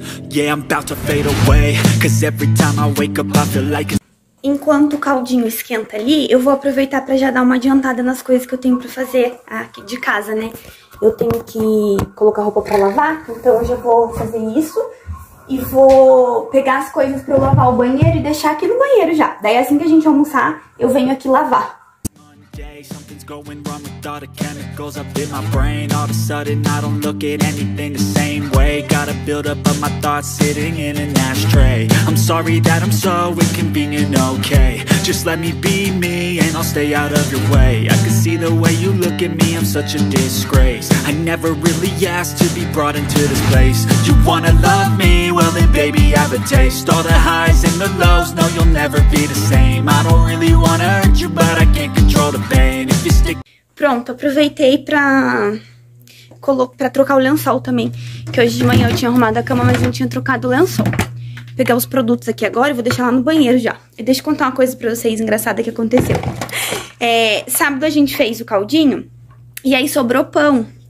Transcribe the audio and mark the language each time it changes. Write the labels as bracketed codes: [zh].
[en] Yeah, I'm about to fade away. Cause every time I wake up, I feel like it's... [pt] Enquanto o caldinho esquenta ali, eu vou aproveitar pra já dar uma adiantada nas coisas que eu tenho pra fazer aqui de casa, né? Eu tenho que colocar roupa pra lavar, então eu já vou fazer isso. E vou pegar as coisas pra eu lavar o banheiro e deixar aqui no banheiro já. Daí assim que a gente almoçar, eu venho aqui lavar. [en] going wrong with all the chemicals up in my brain. All of a sudden I don't look at anything the same way. Gotta build up of my thoughts sitting in an ashtray. I'm sorry that I'm so inconvenient, okay. Just let me be me and I'll stay out of your way. I can see the way you look at me, I'm such a disgrace. I never really asked to be brought into this place. You wanna love me, well then baby I have a taste. All the highs and the lows, no you'll never be the same. I don't really wanna hurt you, but I can't control the pain. If you stick... [pt] Pronto, aproveitei pra trocar o lençol também. Que hoje de manhã eu tinha arrumado a cama, mas não tinha trocado o lençol. Pegar os produtos aqui agora e vou deixar lá no banheiro já. E deixa eu contar uma coisa pra vocês engraçada que aconteceu. Sábado a gente fez o caldinho e aí sobrou pão.